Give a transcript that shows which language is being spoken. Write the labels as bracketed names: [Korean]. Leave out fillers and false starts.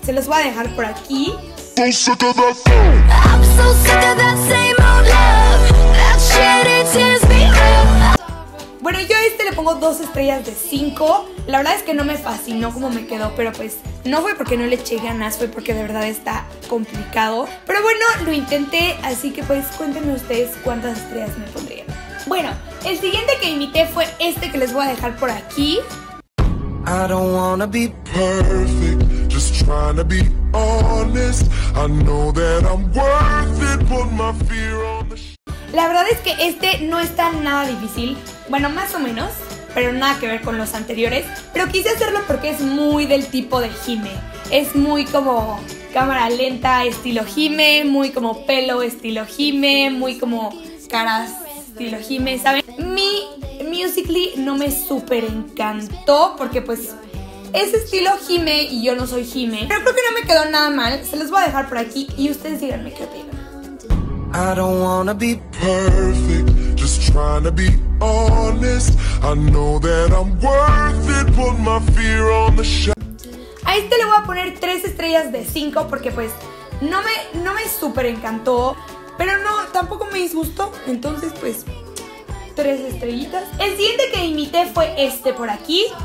[Spanish] Se los voy a dejar por aquí. Bueno, yo a este le pongo 2 estrellas de 5. La verdad es que no me fascinó como me quedó, pero pues no fue porque no le eché ganas, fue porque de verdad está complicado. Pero bueno, lo intenté, así que pues cuéntenme ustedes cuántas estrellas me pondrían. Bueno, el siguiente que imité fue este que les voy a dejar por aquí. [English] I don't wanna be perfect, just trying to be honest. I know that I'm worth it, put my fear on the sh- [Spanish] La verdad es que este no está nada difícil. Bueno, más o menos, pero nada que ver con los anteriores. Pero quise hacerlo porque es muy del tipo de Jime. Es muy como cámara lenta estilo Jime, muy como pelo estilo Jime, muy como caras estilo Jime, ¿saben? Mi Musical.ly no me super encantó porque pues es estilo Jime y yo no soy Jime. Pero creo que no me quedó nada mal. Se los voy a dejar por aquí y ustedes díganme qué opinan. [English] I don't wanna be perfect, just trying to be honest. I know that I'm worth it, put my fear on the shelf. [Spanish] A este le voy a poner 3 estrellas de 5 porque pues no me super encantó, pero no, tampoco me disgustó, entonces pues 3 estrellitas. El siguiente que imité fue este por aquí.